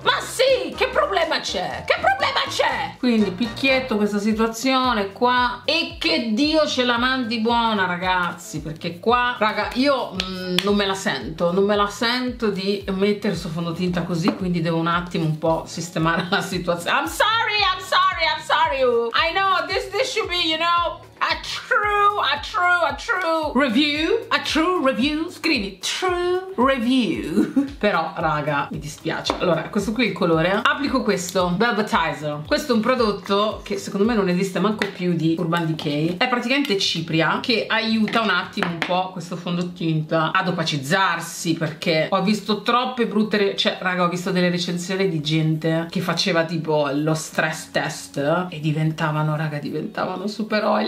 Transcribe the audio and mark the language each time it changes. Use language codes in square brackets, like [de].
[it] Ma sì, che problema c'è? Che problema c'è? Quindi picchietto questa situazione qua, e che Dio ce la mandi buona, ragazzi, perché qua, raga, io non me la sento di mettere sto fondotinta così, quindi devo un attimo un po' sistemare la situazione. [en] I'm sorry, I know this should be, you know, a true review, scrivi true review. [it] Però raga, mi dispiace. Allora, questo qui è il colore, applico questo Velvetizer. Questo è un prodotto che secondo me non esiste manco più di Urban Decay. È praticamente cipria, che aiuta un attimo un po' questo fondotinta ad opacizzarsi, perché ho visto troppe brutte ho visto delle recensioni di gente che faceva tipo lo stress test e diventavano super oily.